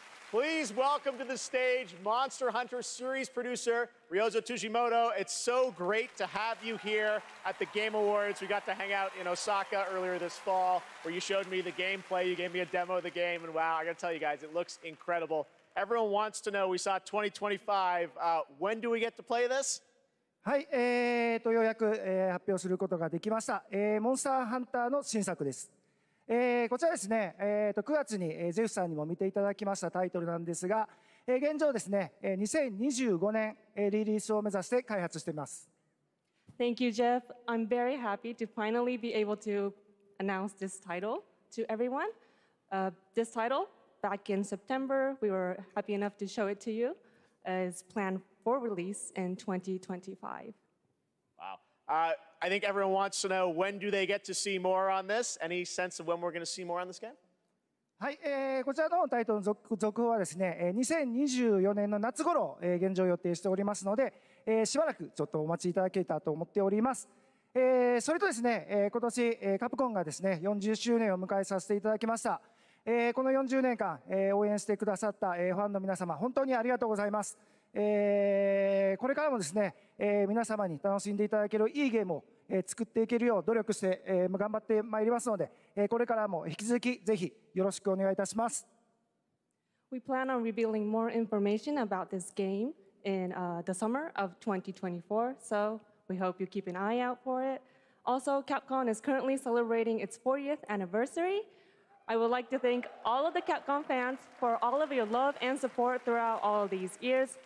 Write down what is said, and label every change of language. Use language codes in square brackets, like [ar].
[en] Please welcome to the stage Monster Hunter series producer, Ryozo Tsujimoto. It's so great to have you here at the Game Awards. We got to hang out in Osaka earlier this fall where you showed me the gameplay. You gave me a demo of the game, and wow, I gotta tell you guys, it looks incredible. Everyone wants to know, we saw 2025. When do we get to play this? [ja] はい、ようやく、発表することができました。モンスターハンターの新作です。こちらですね、9月に、ゼフさんにも見ていただきましたタイトルなんですが、現状ですね、2025年、リリースを目指して開発しています。 [en] Thank you, Jeff. I'm very happy to finally be able to announce this title to everyone. This title, back in September, we were happy enough to show it to you, is planned for release in 2025. Wow. I think everyone wants to know, when do they get to see more on this? Any sense of when we're going to see more on this game? [ja] はい、こちらのタイトルの 続報はですね、2024年の夏ごろ、現状予定しておりますので、しばらくちょっとお待ちいただけたと思っております。それとですね、今年、カプコンがですね、40周年を迎えさせていただきました。この40年間、応援してくださった、ファンの皆様、本当にありがとうございます。これからもですね、皆様に楽しんでいただけるいいゲームを、作っていけるよう努力して、頑張ってまいりますので、これからも引き続きぜひよろしくお願いいたします。 [en] We plan on revealing more information about this game in, the summer of 2024, so we hope you keep an eye out for it. Also, Capcom is currently celebrating its 40th anniversary. I would like to thank all of the Capcom fans for all of your love and support throughout all these years.